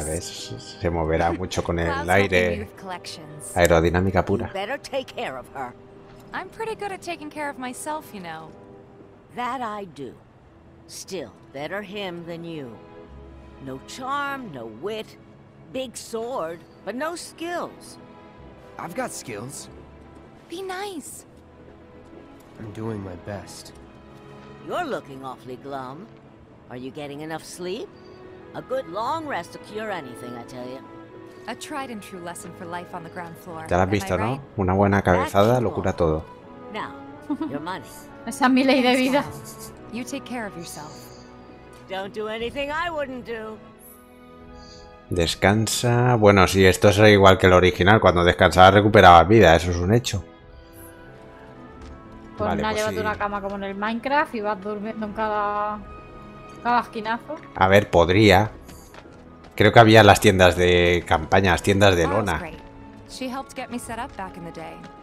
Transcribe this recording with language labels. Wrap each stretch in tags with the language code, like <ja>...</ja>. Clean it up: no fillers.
<es>A ver, se moverá mucho con el aire. Aerodinámica pura.</es> <en>Better take care of her. I'm pretty good at taking care of myself, you know. That I do. Still, better him than you. No charm, no wit. Big sword, but no skills. I've got skills. Be nice. I'm doing my best. You're looking awfully glum. Are you getting enough sleep? A good long rest to cure anything, I tell you. A tried and true lesson for life on the ground floor.</en> <es>¿Ya lo has visto, no? Una buena cabezada lo cura todo.</es> <en>Now, your money.</en> <es>Esa es mi ley de vida.</es> <en>You take care of yourself. Don't do anything I wouldn't do.</en> <es>Descansa. Bueno, sí, esto es igual que el original. Cuando descansaba recuperaba vida. Eso es un hecho. Pues vale, nada, pues llévate sí. Una cama como en el Minecraft y vas durmiendo en cada... A ver, podría. Creo que había las tiendas de campaña, las tiendas de lona.</es> <en>She helped get me set up back in the day.</en>